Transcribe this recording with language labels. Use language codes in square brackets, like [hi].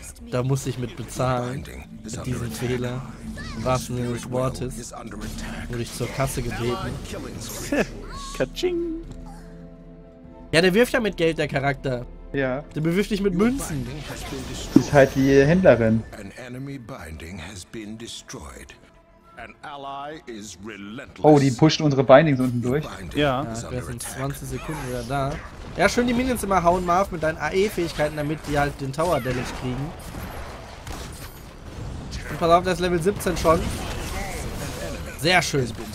[de] Da muss ich mit bezahlen. Mit diesem Fehler. Was nur Wortes. Wurde ich zur Kasse gebeten. Katsching. Ja, der wirft ja mit Geld, der Charakter. Ja. Der bewirft dich mit Münzen. Das ist halt die Händlerin. [en] An enemy binding has been destroyed. An ally is relentless. [de] Oh, die pushen unsere Bindings unten durch. Ja. Wir sind 20 Sekunden wieder da. Ja, schön die Minions immer hauen, Marv, mit deinen AE-Fähigkeiten, damit die halt den Tower-Damage kriegen. Und pass auf, der ist Level 17 schon. Sehr schön.